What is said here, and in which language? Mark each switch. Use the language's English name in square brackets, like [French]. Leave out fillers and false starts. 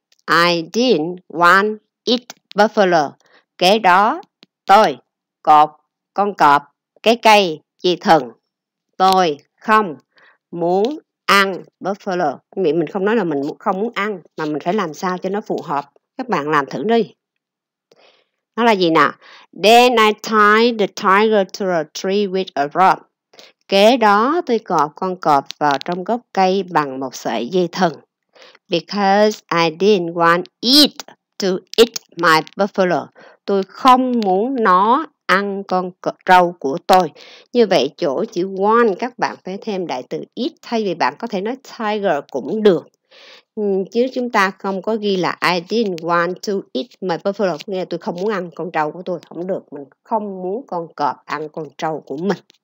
[English] I didn't want it buffalo. [Vietnamese] Kế đó tôi cột con cọp cái cây dây thừng. Tôi không muốn ăn buffalo. Miệng mình không nói là mình không muốn ăn, mà mình phải làm sao cho nó phù hợp. Các bạn làm thử đi. Nó là gì nào? [English] Then I tied the tiger to a tree with a rope. [Vietnamese] Kế đó tôi cột con cọp vào trong gốc cây bằng một sợi dây thừng. [English] Because I didn't want it to eat my buffalo. [Vietnamese] Tôi không muốn nó ăn con trâu của tôi. Như vậy chỗ chữ want các bạn phải thêm đại từ it, thay vì bạn có thể nói tiger cũng được. Chứ chúng ta không có ghi là [English] I didn't want to eat my buffalo, [Vietnamese] nghe tôi không muốn ăn con trâu của tôi, không được, mình không muốn con cọp ăn con trâu của mình.